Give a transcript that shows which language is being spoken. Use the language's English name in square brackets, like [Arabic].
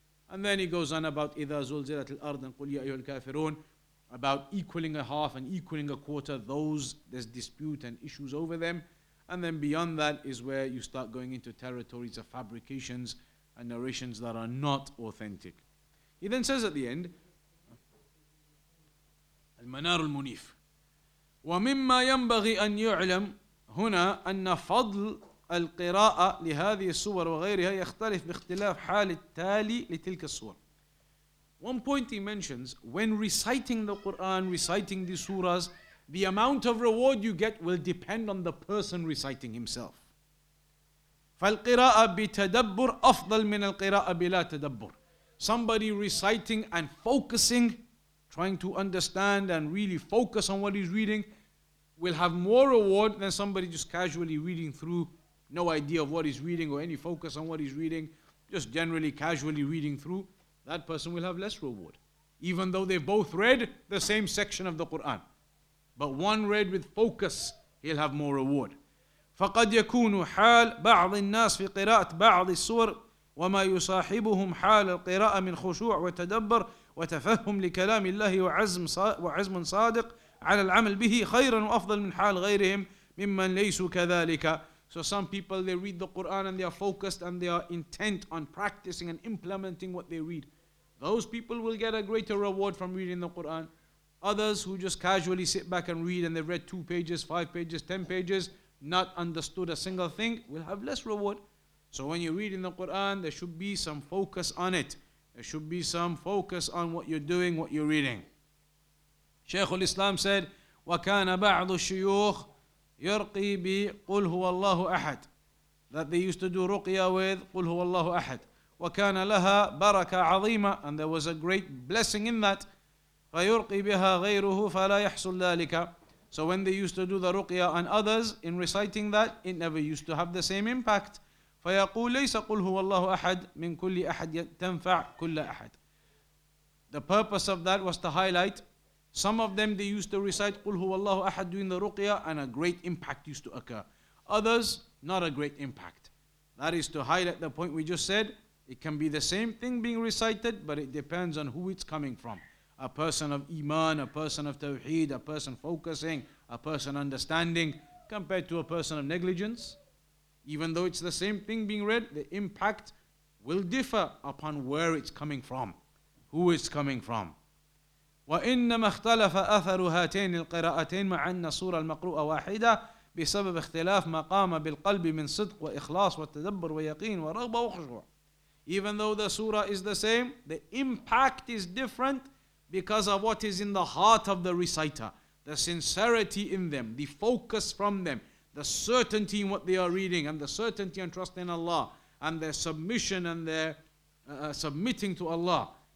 [English] And then he goes on about [Arabic] إِذَا زُلْزِلَتِ الْأَرْضُ قُلْ يَا أَيُّهَا الْكَافِرُونَ, [English] about equaling a half and equaling a quarter, those, there's dispute and issues over them. And then beyond that is where you start going into territories of fabrications and narrations that are not authentic. He then says at the end, [Arabic] المنار المنيف وَمِمَّا يَنْبَغِي أَنْ يُعْلَمْ هنا أن فضل القراءة لهذه الصور وغيرها يختلف باختلاف حال التالي لتلك الصور. [English] One point he mentions, when reciting the Quran, reciting the surahs, the amount of reward you get will depend on the person reciting himself. [Arabic] فالقراءة بتدبر أفضل من القراءة بلا تدبر. [English] Somebody reciting and focusing, trying to understand and really focus on what he's reading, will have more reward than somebody just casually reading through, no idea of what he's reading or any focus on what he's reading, just generally casually reading through. That person will have less reward. Even though they both read the same section of the Quran. But one read with focus, he'll have more reward. [Arabic] فقد يكون حال بعض الناس في قراءة بعض السور وما يصاحبهم حال القراءة من خشوع وتدبر وتفهم لكلام الله وعزم صادق على العمل به خيرا وأفضل من حال غيرهم ممن ليسوا كذلك. [English] So some people, they read the Quran and they are focused and they are intent on practicing and implementing what they read. Those people will get a greater reward from reading the Quran. Others who just casually sit back and read and they've read 2 pages, 5 pages, 10 pages, not understood a single thing, will have less reward. So when you're reading the Quran, there should be some focus on it. There should be some focus on what you're doing, what you're reading. Shaykh al-Islam said, [Arabic] وَكَانَ بَعْضُ الشُّيُوخِ يرقي بقل هو الله أحد, [English] that they used to do ruqya with [Arabic] قل هو الله أحد, وكان لها بركة عظيمة, [English] and there was a great blessing in that, [Arabic] فيرقي بها غيره فلا يحصل ذلك. [English] So when they used to do the ruqya on others in reciting that, it never used to have the same impact. [Arabic] فيقول ليس قل هو الله أحد من كل أحد تنفع كل أحد. [English] The purpose of that was to highlight some of them, they used to recite [Arabic] قُلْ هُوَ اللَّهُ أَحَدْ [English] during the ruqya, and a great impact used to occur. Others, not a great impact. That is to highlight the point we just said. It can be the same thing being recited, but it depends on who it's coming from. A person of iman, a person of tawheed, a person focusing, a person understanding, compared to a person of negligence. Even though it's the same thing being read, the impact will differ upon where it's coming from, who it's coming from. [Arabic] وإنما اختلف أثر هاتين القراءتين مع أن الصورة المقروءة واحدة بسبب اختلاف ما قام بالقلب من صدق وإخلاص وتدبر ويقين ورغبة وخشوع. [English] Even though the surah is the same, the impact is different because of what is in the heart of the reciter, the sincerity in them, the focus from them, the certainty in what they are reading, and the certainty and trust in Allah, and their submission and their submitting to Allah.